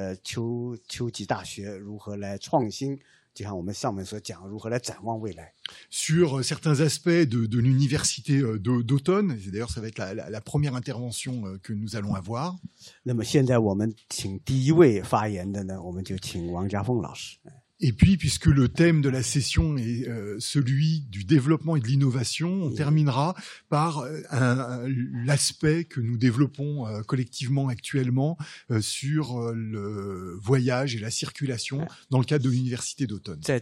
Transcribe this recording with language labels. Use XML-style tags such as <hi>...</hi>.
<zh>一方面呢，是我们看看我们过去是怎么做的，怎么发展的。我们的双方的目光，看在对方的历史的目光，我们是如何来进行研讨。然后呢，我们再看看另一方面，我们未来怎么样来发展我们的这个秋季大学，如何来创新。就像我们上面所讲，如何来展望未来</zh> <fr>？Sur certains aspects de l'université d'automne, d'ailleurs, ça va être la première intervention que nous allons avoir.</fr> <zh>那么现在我们请第一位发言的呢，我们就请王家凤老师。</zh> <fr>Et puis, puisque le thème de la session est celui du développement et de l'innovation, on terminera par l'aspect que nous développons collectivement actuellement sur le voyage et la circulation dans le cadre de l'université d'automne.</fr>